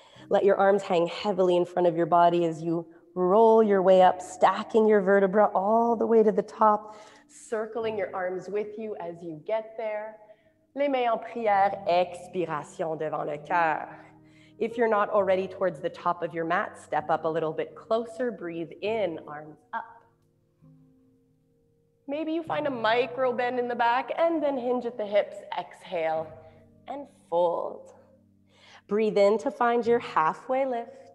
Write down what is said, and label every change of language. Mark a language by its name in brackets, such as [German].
[English] Let your arms hang heavily in front of your body as you roll your way up, stacking your vertebra all the way to the top, circling your arms with you as you get there. [French] Les mains en prière, expiration devant le cœur. [English] If you're not already towards the top of your mat, step up a little bit closer, breathe in, arms up. Maybe you find a micro bend in the back and then hinge at the hips, exhale and fold. Breathe in to find your halfway lift.